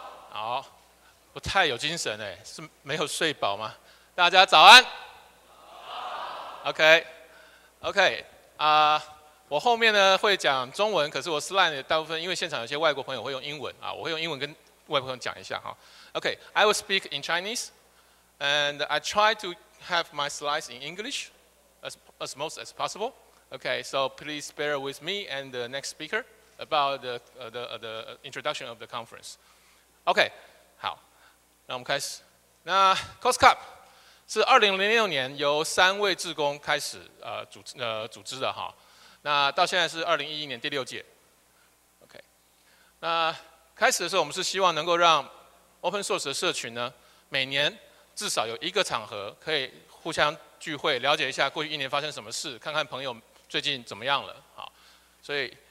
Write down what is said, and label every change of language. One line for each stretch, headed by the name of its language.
Chinese: 好，不太有精神哎，是没有睡饱吗？大家早安。 OK，OK 啊，我后面呢会讲中文，可是我 slide 大部分因为现场有些外国朋友会用英文啊，我会用英文跟外国朋友讲一下哈。
English: OK，I will speak in Chinese and I try to have my slides in English as most as possible. OK，so please bear with me and the next speaker. About the introduction of the conference.
Chinese: OK, 好，那我们开始。那 Cost Cup 是2006年由三位志工开始组织的哈。那到现在是2011年第六届。OK, 那开始的时候我们是希望能够让 Open Source 的社群呢，每年至少有一个场合可以互相聚会，了解一下过去一年发生什么事，看看朋友最近怎么样了。好，所以。